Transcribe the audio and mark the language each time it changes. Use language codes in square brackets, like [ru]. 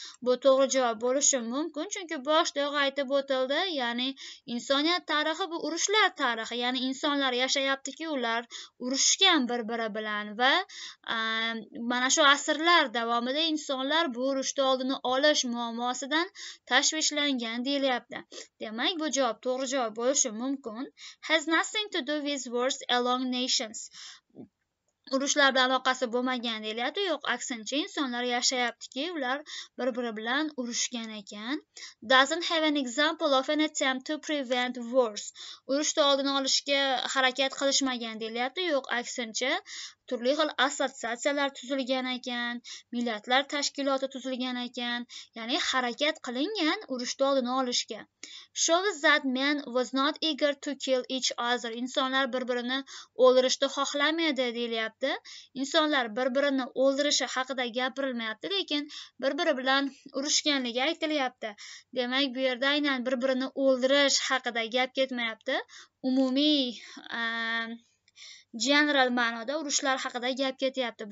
[uz] Bu to'g'ri javob bo'lishi mumkin, chunki boshdayoq aytib o'tildi, ya'ni insoniyat tarixi bu urushlar tarixi, ya'ni insonlar yashayaptiki, ular urushgan bir-biri bilan va mana shu asrlar davomida insonlar bu urushda oldini olish muammosidan tashvishlangan, deyilyapti. Demak, bu javob to'g'ri javob bo'lishi mumkin. [en] Has nothing to do with wars among nations. [uz] Urushlar bilan aloqasi bo'lmagan, deyilyapti. Yo'q, aksincha, insonlar yashayaptiki, ular bir-biri bilan urushgan ekan. [en] Doesn't have an example of an attempt to prevent wars. [uz] Urushni oldini olishga harakat qilishmagan, deyilyapti. Yo'q, aksincha, turli xil assotsiatsiyalar tuzilgan ekan, millatlar tashkiloti tuzilgan ekan, ya'ni harakat qilingan urushni oldini olishga. [en] Shows that men was not eager to kill each other. [uz] Insonlar bir-birini o'ldirishni xohlamaydi, deyilyapti. Insonlar bir-birini o'ldirishi haqida gapirilmayapti, lekin bir-biri bilan urushganligi aytilyapti. Demak, bu yerda aynan bir-birini o'ldirish haqida gap ketmayapti. Umumiy general ma'noda urushlar haqida gap ketyapti.